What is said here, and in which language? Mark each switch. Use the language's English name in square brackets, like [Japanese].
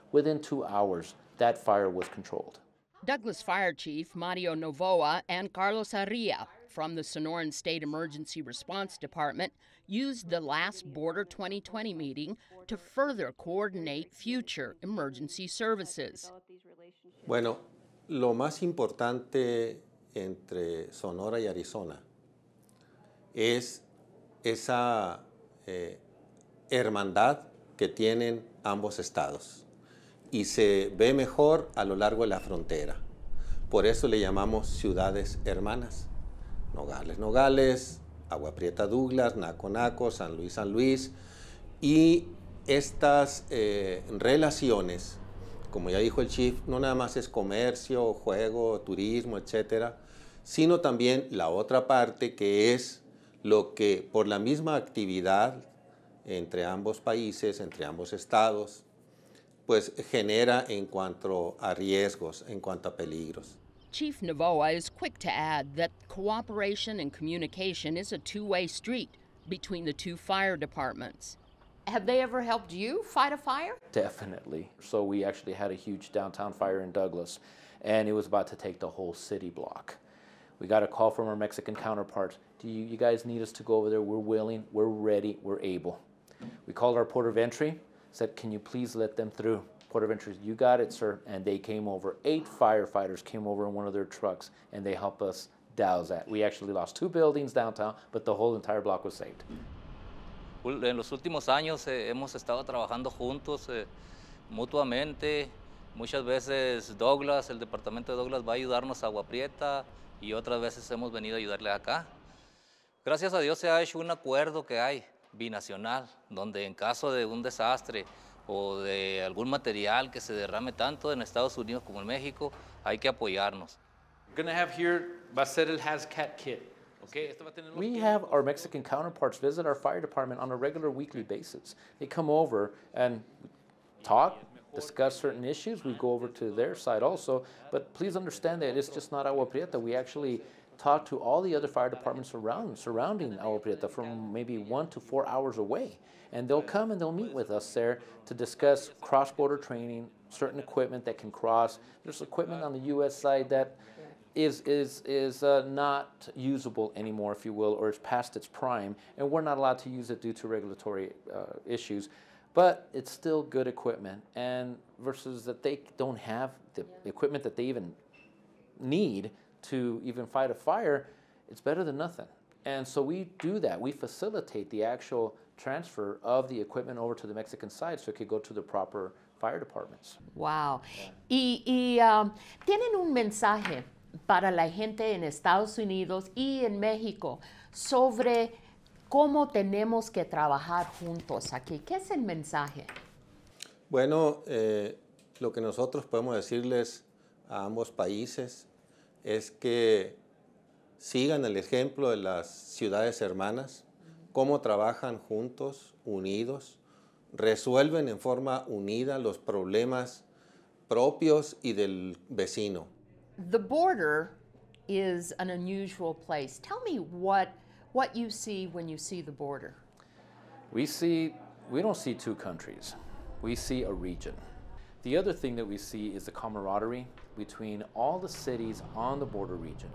[English] Within 2 hours, that fire was controlled. Douglas Fire Chief Mario Novoa and Carlos Arria from the Sonoran State Emergency Response Department used the last Border 2020 meeting to further coordinate future emergency services. [Spanish] Bueno, lo más importante entre Sonora y Arizona es esa hermandad que tienen ambos estados y se ve mejor a lo largo de la frontera. Por eso le llamamos ciudades hermanas. Nogales, Nogales, Agua Prieta, Douglas, Naco, Naco, San Luis, San Luis. Y estas relaciones, como ya dijo el chief, no nada más es comercio, juego, turismo, etcétera, sino también la otra parte que es lo que por la misma actividad entre ambos países, entre ambos estados, pues genera en cuanto a riesgos, en cuanto a peligros. [English] Chief Novoa is quick to add that cooperation and communication is a two-way street between the two fire departments. Have they ever helped you fight a fire? Definitely. So we actually had a huge downtown fire in Douglas, and it was about to take the whole city block. We got a call from our Mexican counterparts. Do you guys need us to go over there? We're willing, we're ready, we're able. We called our port of entry, said, can you please let them through? Port of entry, you got it, sir. And they came over. 8 firefighters came over in one of their trucks, and they helped us douse that. We actually lost 2 buildings downtown, but the whole entire block was saved. [Spanish] En los últimos años hemos estado trabajando juntos mutuamente. Muchas veces Douglas, el departamento de Douglas, va a ayudarnos a Agua Prieta, y otras veces hemos venido a ayudarle acá. Gracias a Dios se ha hecho un acuerdo que hay binacional, donde en caso de un desastre o de algún material que se derrame tanto en Estados Unidos como en México, hay que apoyarnos. We're going to have here, va a ser el Hazcat kit. Okay. We have our Mexican counterparts visit our fire department on a regular weekly basis. They come over and talk, discuss certain issues. We go over to their side also. But please understand that it's just not Agua Prieta. We actually talk to all the other fire departments surrounding Agua Prieta from maybe 1 to 4 hours away. And they'll come and they'll meet with us there to discuss cross-border training, certain equipment that can cross. There's equipment on the U.S. side that is not usable anymore, if you will, or it's past its prime, and we're not allowed to use it due to regulatory issues. But it's still good equipment, and versus that they don't have the equipment that they even need to even fight a fire, it's better than nothing. And so we do that. We facilitate the actual transfer of the equipment over to the Mexican side so it could go to the proper fire departments. Wow. Yeah. ¿Tienen un mensaje para la gente en Estados Unidos y en México sobre cómo tenemos que trabajar juntos aquí? ¿Qué es el mensaje? Bueno, lo que nosotros podemos decirles a ambos países es que sigan el ejemplo de las ciudades hermanas, cómo trabajan juntos, unidos, resuelven en forma unida los problemas propios y del vecino. [English] The border is an unusual place. Tell me what you see when you see the border. We don't see two countries. We see a region. The other thing that we see is the camaraderie between all the cities on the border region.